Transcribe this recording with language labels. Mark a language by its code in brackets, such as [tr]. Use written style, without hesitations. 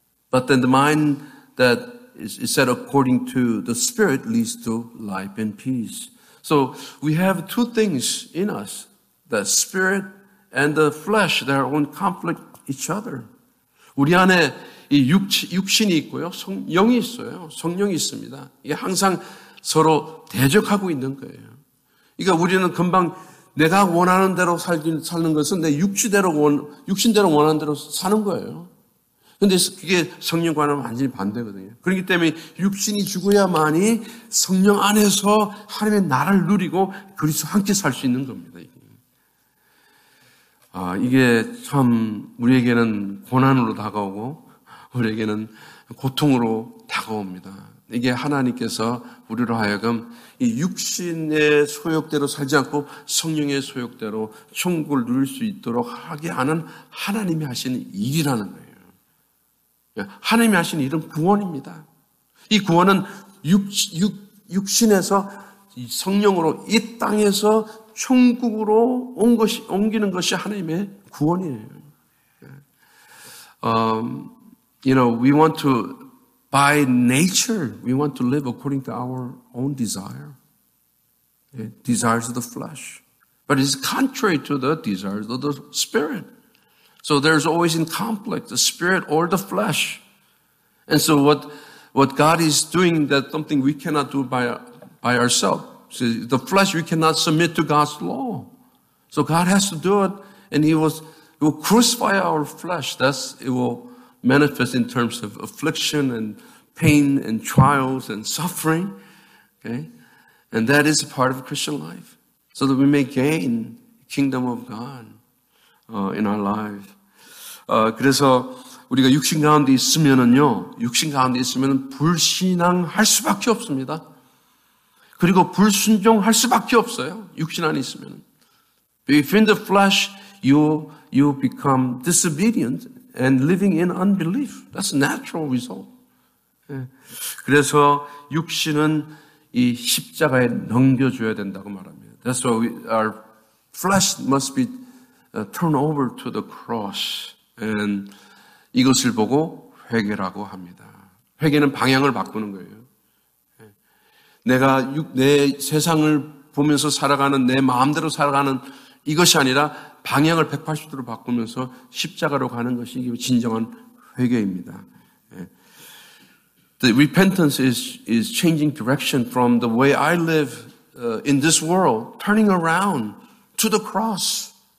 [en] But then the mind that is set according to the spirit leads to life and peace. So we have two things in us, the spirit and the flesh, they're in conflict with each other. [ko] 우리 안에 이 육신이 있고요. 영이 있어요. 성령이 있습니다. 이게 항상 서로 대적하고 있는 거예요. 그러니까 우리는 금방 내가 원하는 대로 사는 것은 내 육신대로 원하는 대로 사는 거예요. 그런데 그게 성령과는 완전히 반대거든요. 그렇기 때문에 육신이 죽어야만이 성령 안에서 하나님의 나라를 누리고 그리스도 함께 살 수 있는 겁니다. 아, 이게 참 우리에게는 고난으로 다가오고 우리에게는 고통으로 다가옵니다. 이게 하나님께서 우리로 하여금 이 육신의 소욕대로 살지 않고 성령의 소욕대로 천국을 누릴 수 있도록 하게 하는 하나님이 하신 일이라는 거예요. 하나님이 하신 일은 구원입니다. 이 구원은 육신에서 성령으로 이 땅에서 천국으로 옮기는 것이 하나님의 구원이에요. [en] You know, we want to, by nature, we want to live according to our own desire. Desires of the flesh. But it's contrary to the desires of the spirit. So there's always in conflict, the spirit or the flesh. And so what God is doing, that's something we cannot do by ourselves. See, the flesh, we cannot submit to God's law. So God has to do it, and he will crucify our flesh. Thus, it will manifest in terms of affliction and pain and trials and suffering. Okay? And that is a part of Christian life. So that we may gain the kingdom of God, in our lives. [ko] 그래서 우리가 육신 가운데 있으면은요, 육신 가운데 있으면은 불신앙할 수밖에 없습니다. 그리고 불순종할 수밖에 없어요. 육신 안에 있으면. [en] If in the flesh, you become disobedient and living in unbelief. That's a natural result. [ko] 그래서 육신은 이 십자가에 넘겨줘야 된다고 말합니다. [en] That's why our flesh must be turned over to the cross. [ko] And 이것을 보고 회개라고 합니다. 회개는 방향을 바꾸는 거예요. 내 세상을 보면서 살아가는 내 마음대로 살아가는 이것이 아니라 방향을 180도로 바꾸면서 십자가로 가는 것이 진정한 회개입니다. [en] The repentance is changing direction from the way I live in this world, turning around to the cross.